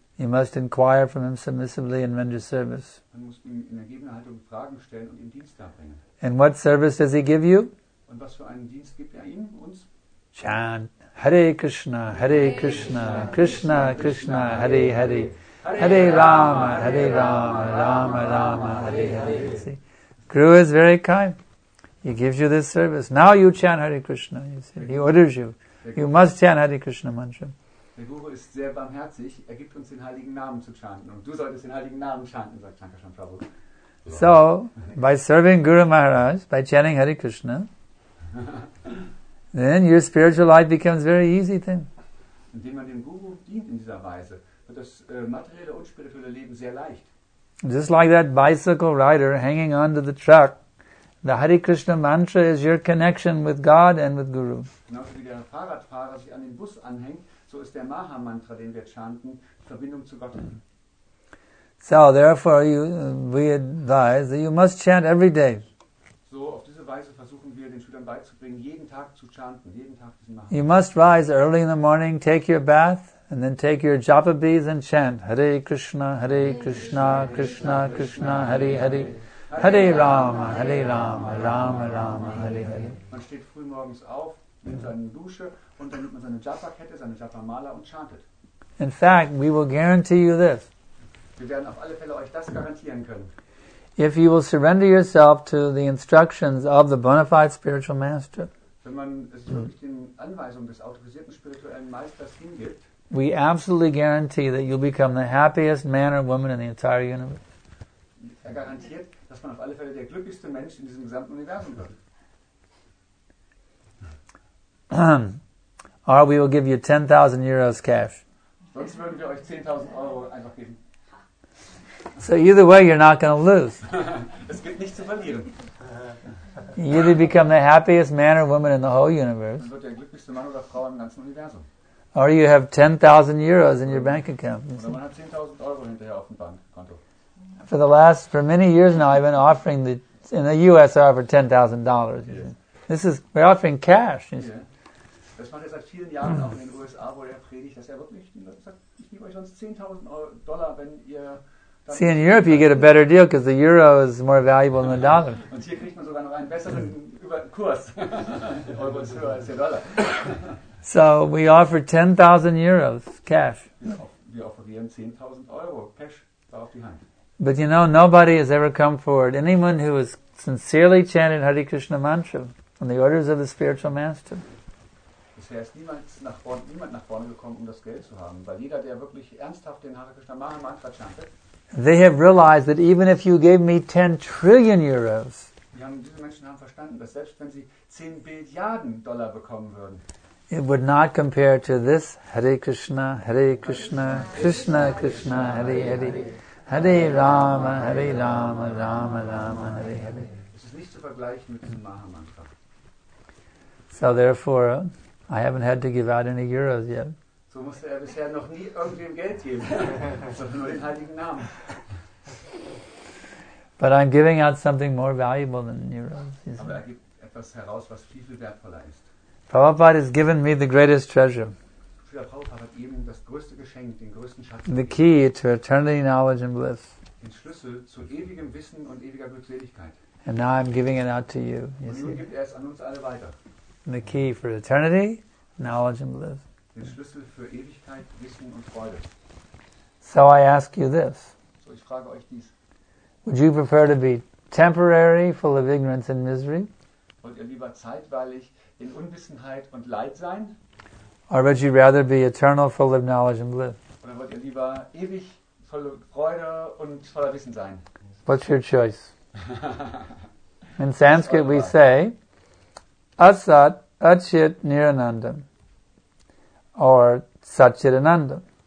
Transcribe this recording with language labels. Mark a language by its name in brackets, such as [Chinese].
[English] You must inquire from him submissively and render service. [German] Man muss ihm in ergebener Haltung Fragen stellen und ihm Dienst darbringen. [English] And what service does he give you? [German] Und was für einen Dienst gibt er ihm uns? [English] Chant. Hare Krishna, Hare Krishna, Krishna Krishna, Hare Hare. [Sanskrit] Hare Rama, Hare Rama, Rama Rama, Hare Hare. [English] See, Guru is very kind. He gives you this service. Now you chant Hare Krishna. You see, he orders you. You must chant Hare Krishna mantra. [German] Der Guru ist sehr barmherzig. Er gibt uns den heiligen Namen zu chanten, und du solltest den heiligen Namen chanten, sagt Shankarshan Prabhu. [English] So, by serving Guru Maharaj, by chanting Hare Krishna, then your spiritual life becomes very easy then. [German] Indem man dem Guru dient in dieser Weise. Das materielle und spirituelle Leben sehr leicht. [English] Just like that bicycle rider hanging onto the truck, the Hare Krishna mantra is your connection with God and with Guru. [German] Genau wie der Fahrradfahrer sich an den Bus anhängt, so ist der Maha Mantra, den wir chanten, Verbindung zu Gott. [English] So, therefore, we advise that you must chant every day. [German] So, auf diese Weise versuchen wir den Schülern beizubringen, jeden Tag zu chanten, jeden Tag diesen Maha. [English] You must rise early in the morning, take your bath. And then take your japa beads and chant Hare Krishna, Hare Krishna, Krishna Krishna, Hare Hare, Hare Rama, Hare Rama, Rama Rama, Hare Hare. [German] Man steht früh morgens auf, nimmt seine Dusche und dann nimmt man seine Japa-Kette, seine Japa-Mala und chantet. [English] In fact, we will guarantee you this. [German] Wir werden auf alle Fälle euch das garantieren können. [English] If you will surrender yourself to the instructions of the bona fide spiritual master, [German] wenn man sich wirklich den Anweisungen des autorisierten spirituellen Meisters hingibt, [English] we absolutely guarantee that you'll become the happiest man or woman in the entire universe. [German] Er garantiert, dass man auf alle Fälle der glücklichste Mensch in diesem gesamten Universum wird. [English] Or we will give you 10,000 euros cash. [German] Sonst würden wir euch 10,000 Euro einfach geben. [English] So either way, you're not going to lose. [German] Es gibt nichts zu verlieren. [English] You either become the happiest man or woman in the whole universe. [German] Wird der glücklichste Mann oder Frau im ganzen Universum. [English] Or you have 10,000 euros in your bank account. [German] Oder man hat 10,000 Euro hinterher auf dem Bankkonto. [English] For many years now, I've been offering in the U.S. I offer $10,000. Yeah. This is we're offering cash. Yeah. [German] Das macht er seit vielen Jahren auch in den USA, wo er predigt, dass er wirklich sagt, ich gebe euch sonst $10,000, wenn ihr. [English] See, in Europe you get a better deal because the euro is more valuable than the dollar. [German] Und hier kriegt man sogar noch einen besseren Kurs. Euro ist höher als der Dollar. [English] So we offer 10,000 euros cash. [German] Wir offerieren 10,000 Euro cash da auf die Hand. [English] But you know, nobody has ever come forward. Anyone who has sincerely chanted Hare Krishna mantra on the orders of the spiritual master. [German] Bisher ist niemand nach vorne gekommen, um das Geld zu haben, weil jeder, der wirklich ernsthaft den Hare Krishna mantra chantet. [English] They have realized that even if you gave me 10 trillion euros, [German] diese Menschen haben verstanden, dass selbst wenn sie 10 Billiarden Dollar bekommen würden, [English] it would not compare to this Hare Krishna, Krishna, Krishna, Hare Hare, Hare Rama, Hare Rama, Rama Rama, Hare Hare. [German] Es ist nicht zu vergleichen mit diesem Mahamantra. [English] So therefore, I haven't had to give out any euros yet. [German] So musste er bisher noch nie irgendwem Geld geben, sondern nur den heiligen Namen. [English] But I'm giving out something more valuable than euros. [German] Aber er gibt etwas heraus, was viel, viel wertvoller ist. [English] Prabhupada has given me the greatest treasure. [German] Srila Prabhupada hat ihm das größte Geschenk, den größten Schatz. [English] The key to eternity, knowledge and bliss. [German] Den Schlüssel zu ewigem Wissen und ewiger Glückseligkeit. [English] And now I'm giving it out to you. [German] Und nun gibt er es an uns alle weiter. [English] The key for eternity, knowledge and bliss. [German] Den Schlüssel für Ewigkeit, Wissen und Freude. [English] So I ask you this. [German] So ich frage euch dies. [English] Would you prefer to be temporary, full of ignorance and misery? [German] Wollt ihr lieber zeitweilig in Unwissenheit und Leid sein? [English] Or would you rather be eternal, full of knowledge and bliss? [German] Oder wollt ihr lieber ewig voller Freude und voller Wissen sein? [English] What's your choice? In Sanskrit we say, Asat, Achit, Nirananda. Or Satchitananda.